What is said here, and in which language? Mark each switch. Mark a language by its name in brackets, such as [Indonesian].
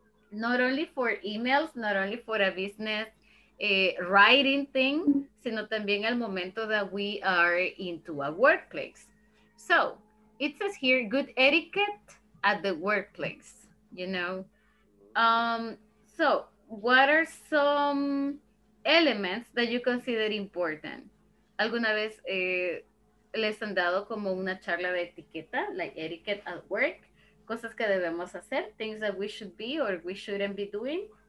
[English] Not only for emails, not only for a business writing thing, [Spanish] sino también al momento [English] that we are into a workplace. So, it says here, good etiquette at the workplace. You know, so what are some elements that you consider important? [Spanish] ¿Alguna vez les han dado como una charla de etiqueta, like etiquette at work? Cosas que debemos hacer, [English] things that we should be or we shouldn't be doing.